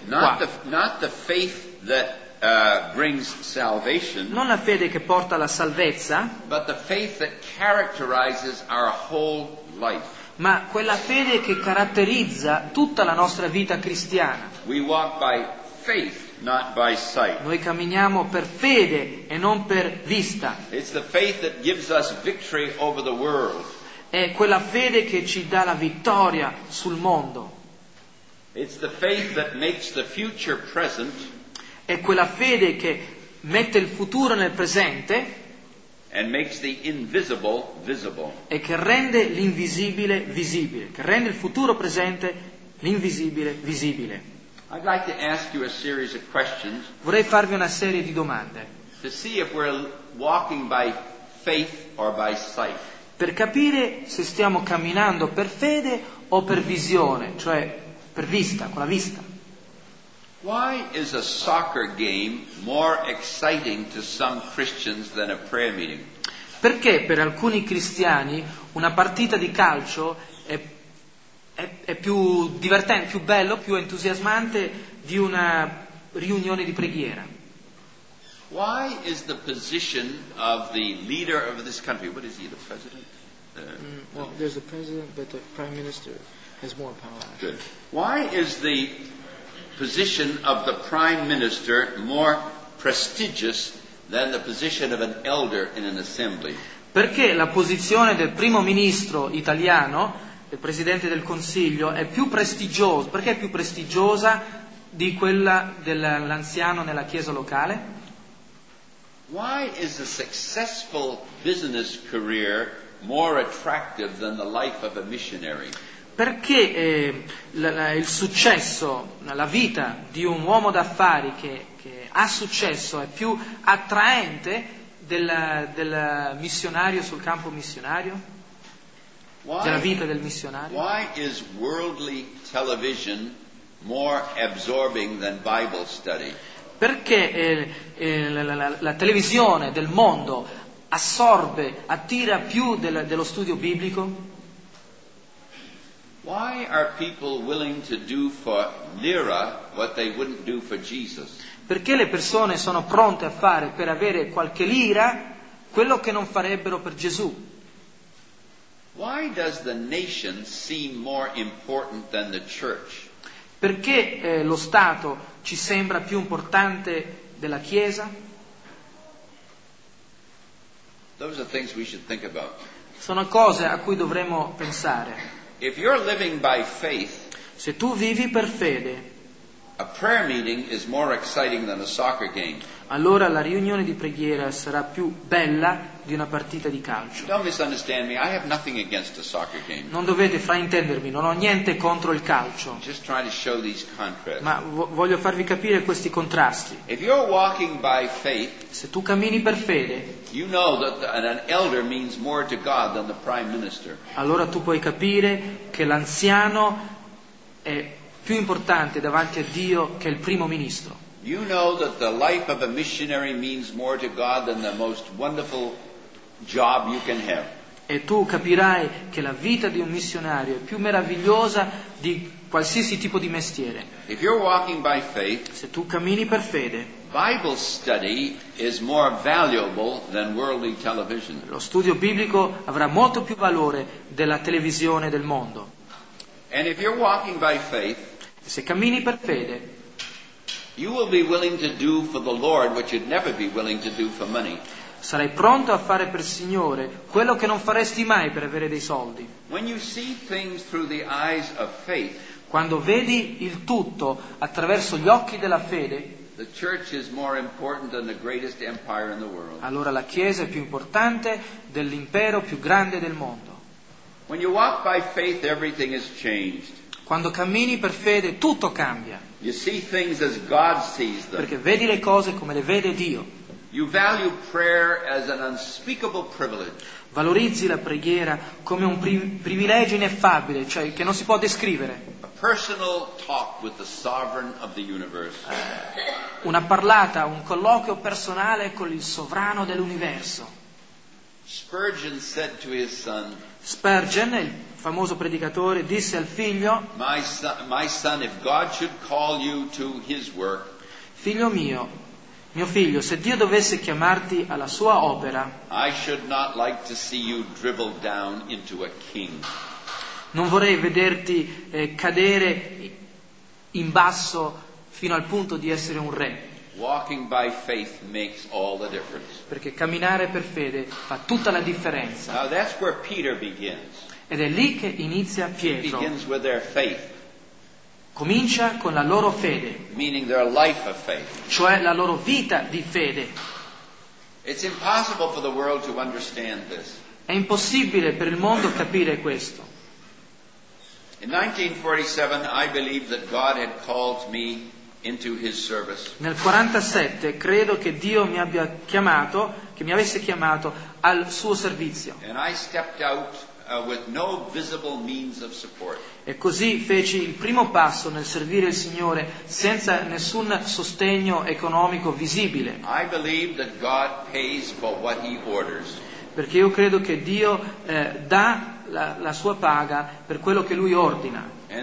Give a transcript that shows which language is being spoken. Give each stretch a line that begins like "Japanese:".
English: Not the faith that brings salvation.
Italian: Non la fede che porta alla salvezza.
English: But the faith that characterizes our whole life.
Italian: Ma quella fede che caratterizza tutta la nostra vita cristiana.
English: We walk by faith, not by sight.
Italian: Noi camminiamo per fede e non per vista.
English: It's the faith that gives us victory over the world.
Italian: È quella fede che ci dà la vittoria sul mondo.
English: It's the faith that makes the future present.
Italian: È quella fede che mette il futuro nel presente.
English: and makes the invisible visible.
Italian: E che rende l'invisibile visibile, che rende il futuro presente l'invisibile visibile.
English: I'd like to ask you a series of questions.
Italian: Vorrei farvi una serie di domande.
English: To see if we're walking by faith or by sight.
Italian: Per capire se stiamo camminando per fede o per visione, cioè per vista, con la vista.
English: Why is a soccer game more exciting to some Christians than a prayer meeting?
Italian: Perché per alcuni cristiani una partita di calcio è più divertente, più bello, più entusiasmante di una riunione di preghiera?
English: Why is the position of the leader of this country? What is he, the president? Well, there's a president, but the prime minister has more power. Good. Why is the position of the prime minister more prestigious than the position of an elder in an assembly?
Italian: Perché la posizione del primo ministro italiano, del presidente del consiglio, è più prestigiosa? Perché è più prestigiosa di quella dell'anziano nella chiesa locale?
English: Why is a successful business career more attractive than the life of a missionary?
Italian: Perché il successo, la vita di un uomo d'affari che ha successo è più attraente del missionario sul campo missionario? Della vita del missionario?
English: Why is worldly television more absorbing than Bible study?
Italian: Perché la televisione del mondo assorbe, attira più dello studio biblico?
English: Why are people willing to do for lira what they wouldn't do for Jesus?
Italian: Perché le persone sono pronte a fare per avere qualche lira quello che non farebbero per Gesù?
English: Why does the nation seem more important than the church?
Italian: Perché lo Stato ci sembra più importante della Chiesa?
English: Those are things we should think about.
Italian: Sono cose a cui dovremmo pensare.
English: If you're living by faith,
Italian: se tu vivi per fede,
English: a prayer meeting is more exciting than a soccer game.
Italian: Allora la riunione di preghiera sarà più bella di una partita di calcio.
English: Don't misunderstand me. I have nothing against a soccer game.
Italian: Non dovete fraintendermi, non ho niente contro il calcio.
English: Just try to show these contrasts.
Italian: Ma voglio farvi capire questi contrasti.
English: If you're walking by faith,
Italian: se tu cammini per fede,
English: you know that an elder means more to God than the prime minister.
Italian: Allora tu puoi capire che l'anziano è più importante davanti a Dio che il primo ministro.
English: You know that the life of a missionary means more to God than the most wonderful job you can have.
Italian: E tu capirai che la vita di un missionario è più meravigliosa di qualsiasi tipo di mestiere.
English: If you're walking by faith,
Italian: se tu cammini per fede,
English: Bible study is more valuable than worldly television.
Italian: Lo studio biblico avrà molto più valore della televisione del mondo.
English: And if you're walking by faith,
Italian: se cammini per fede,
English: you will be willing to do for the Lord what you'd never be willing to do for money.
Italian: Sarai pronto a fare per Signore quello che non faresti mai per avere dei soldi.
English: When you see things through the eyes of faith,
Italian: quando vedi il tutto attraverso gli occhi della fede,
English: the church is more important than the greatest empire in the world.
Italian: Allora la Chiesa è più importante dell'impero più grande del mondo.
English: When you walk by faith, everything is changed.
Italian: Quando cammini per fede, tutto cambia.
English: You see things as God sees them.
Italian: Perché vedi le cose come le vede Dio.
English: You value prayer as an unspeakable privilege.
Italian: Valorizzi la preghiera come un privilegio ineffabile, cioè che non si può descrivere.
English: A personal talk with the sovereign of the universe.
Italian: Una parlata, un colloquio personale con il sovrano dell'universo.
English: Spurgeon said to his son,
Italian: Spurgeon, il famoso predicatore, disse al figlio:
English: my son, if God should call you to his work,
Italian: figlio mio, mio figlio, se Dio dovesse chiamarti alla sua opera,
English: I should not like to see you dribble down into a king.
Italian: Non vorrei vederti cadere in basso fino al punto di essere un re.
English: Walking by faith makes all the difference.
Italian: Perché camminare per fede fa tutta la differenza.
English: Now that's where Peter begins.
Italian: Ed è lì che inizia Pietro.
English: He begins with their faith.
Italian: Comincia con la loro fede.
English: Meaning their life of faith.
Italian: Cioè la loro vita di fede.
English: It's impossible for the world to understand this.
Italian: È impossibile per il mondo capire questo.
English: In 1947, I believed that God had called me into His service.
Italian: Nel 47 credo che Dio mi abbia chiamato, che mi avesse chiamato al suo servizio.
English: And I stepped out with no visible means of support.
Italian: E così feci il primo passo nel servire il Signore senza nessun sostegno economico visibile.
English: I believe that God pays for what He orders.
Italian: Perché io credo che Dio dà la sua paga per quello che Lui ordina.